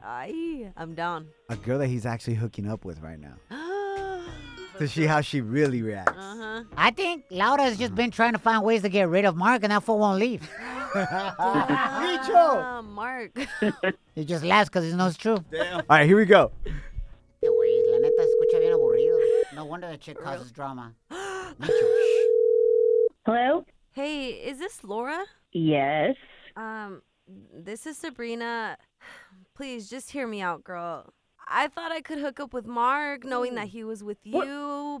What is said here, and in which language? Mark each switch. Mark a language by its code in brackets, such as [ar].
[en] I'm down. A girl that he's actually hooking up with right now. To see how she really reacts. Uh-huh. I think Laura's just been trying to find ways to get rid of Mark, and that fool won't leave. Micho! Mark. He just laughs because he knows it's true. Damn. All right, here we go. [es] La neta, escucha bien aburrido. [en] No wonder that chick causes drama. Micho. Hello? Hey, is this Laura? Yes. This is Sabrina. Please, just hear me out, girl. I thought I could hook up with Mark, knowing that he was with you.